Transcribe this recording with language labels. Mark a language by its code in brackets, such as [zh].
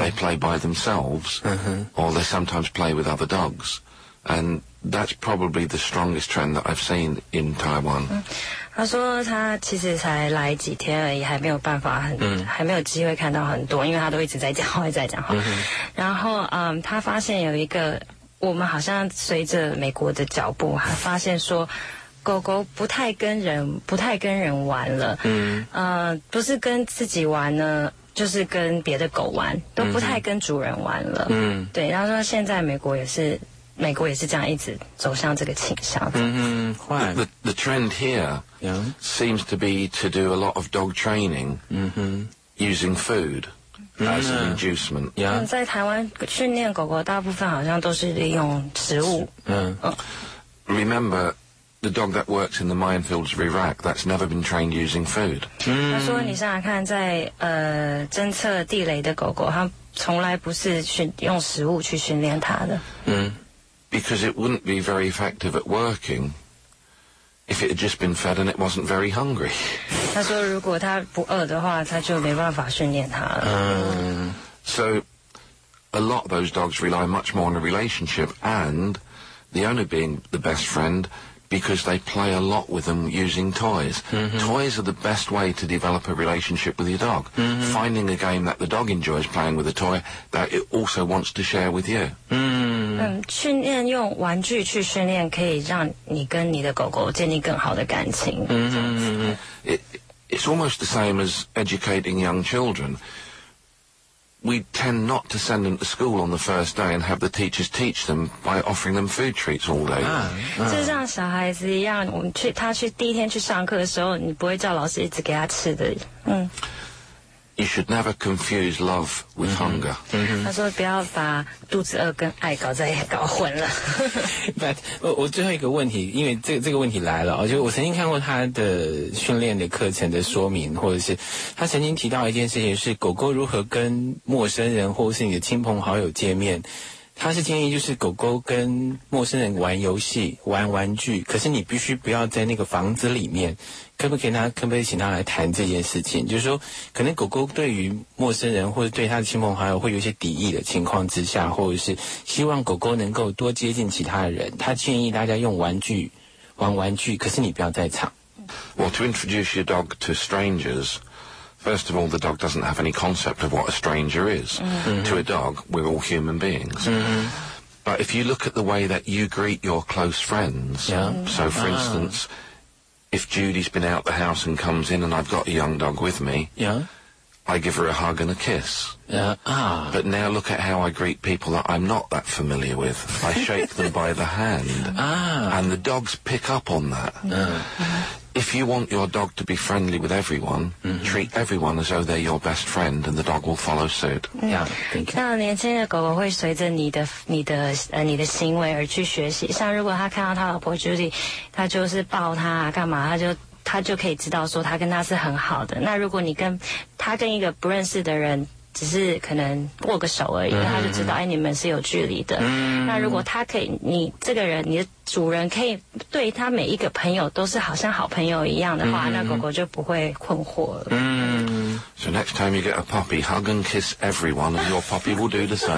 [en] They play by themselves, or they sometimes play with other dogs. And that's probably the strongest trend that I've seen in Taiwan. [zh] 他说他其实才来几天而已，还没有办法很，还没有机会看到很多，因为他都一直在讲话，在讲话。然后，他发现有一个，我们好像随着美国的脚步，还发现说，狗狗不太跟人，不太跟人玩了。不是跟自己玩呢，就是跟别的狗玩，都不太跟主人玩了。对，他说现在美国也是。美国也是这样一直走向这个倾向。 [en] Why? The trend here seems to be to do a lot of dog training using food as an inducement. Yeah. [zh] 在台湾训练狗狗大部分好像都是利用食物。 [en] Remember, the dog that works in the minefields of Iraq, that's never been trained using food. [zh] 他说你想想看在侦测地雷的狗狗它从来不是用食物去训练它的。 [en] Because it wouldn't be very effective at working if it had just been fed and it wasn't very hungry. [zh] 他说如果他不饿的话他就没办法训练他了。 [en] So a lot of those dogs rely much more on a relationship and the owner being the best friend because they play a lot with them using toys. Toys are the best way to develop a relationship with your dog. Finding a game that the dog enjoys playing with a toy that it also wants to share with you. [zh] 训练用玩具去训练可以让你跟你的狗狗建立更好的感情。 [en] It's almost the same as educating young children. We tend not to send them to school on the first day and have the teachers teach them by offering them food treats all day. [zh] 就像小孩子一样，我们去他去第一天去上课的时候，你不会叫老师一直给他吃的。 [en] You should never confuse love with hunger. [zh] 他说不要把肚子饿跟爱搞混了。 But 我最后一个问题，因为这个问题来了，就我曾经看过他的训练的课程的说明，或者是他曾经提到一件事情，是狗狗如何跟陌生人或是你的亲朋好友见面。他是建议就是狗狗跟陌生人玩游戏玩玩具，可是你必须不要在那个房子里面，可不可以请他来谈这件事情，就是说可能狗狗对于陌生人或者对他的亲朋好友会有一些敌意的情况之下，或者是希望狗狗能够多接近其他人，他建议大家用玩具玩玩具，可是你不要在场。 [en] Well, to introduce your dog to strangersFirst of all, the dog doesn't have any concept of what a stranger is. To a dog, we're all human beings. But if you look at the way that you greet your close friends, so for instance, if Judy's been out the house and comes in and I've got a young dog with me, I give her a hug and a kiss. But now look at how I greet people that I'm not that familiar with. I shake them by the hand. And the dogs pick up on that. If you want your dog to be friendly with everyone, treat everyone as though they're your best friend, and the dog will follow suit. Yeah, thank you. [zh] 那年轻的狗狗会随着你的行为而去学习。像如果他看到他老婆 Judy， 他就是抱他啊，干嘛？他就可以知道说他跟他是很好的。那如果你跟他跟一个不认识的人，只是可能握个手而已，他就知道哎，你们是有距离的。那如果他可以，你这个人，你的主人可以对他每一个朋友都是好像好朋友一样的话，那狗狗就不会困惑了。 [en] So next time you get a puppy, hug and kiss everyone, and your puppy will do the same.